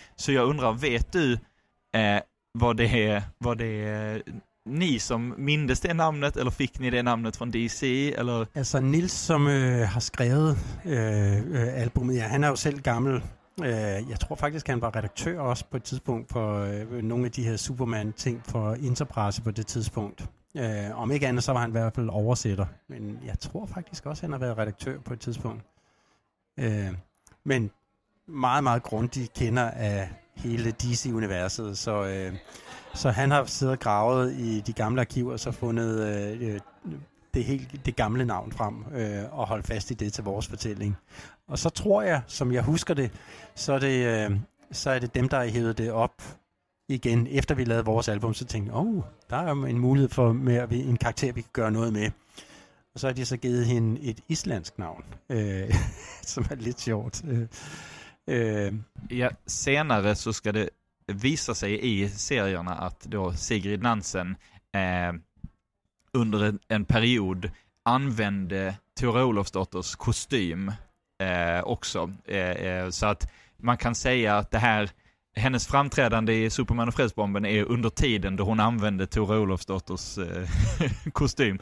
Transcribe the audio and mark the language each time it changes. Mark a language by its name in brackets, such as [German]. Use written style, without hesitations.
[Swedish] Så jag undrar, vet du vad det är ni som mindes det namnet, eller fick ni det namnet från DC? Eller? Alltså Nils som har skrivit albumet, ja, han är ju själv gammal. Jag tror faktiskt han var redaktör också på ett tidspunkt på några av de här Superman-ting för Interpresse på det tidspunkt. [Danish] Om ikke andet, så var han i hvert fald oversætter. Men jeg tror faktisk også, han har været redaktør på et tidspunkt. Men meget, meget grundig kender af hele DC-universet. Så han har siddet og gravet i de gamle arkiver, og så fundet det gamle navn frem, og holdt fast i det til vores fortælling. Og så tror jeg, som jeg husker det, så er det dem, der har hævet det op igen, efter vi lavede vores album, så tænkte jeg, der er en mulighed for en karakter, vi kan gøre noget med. Og så har de så givet hende et islandsk navn, som er lidt sjovt. Ja, senere så skal det vise sig i serierne, at [Swedish] då Sigrid Nansen under en period använde Tora Olofsdotters kostym också. Så att man kan säga att det här, hennes framträdande i Superman och Fredsbomben är under tiden då hon använde Tora Olofsdotters kostym.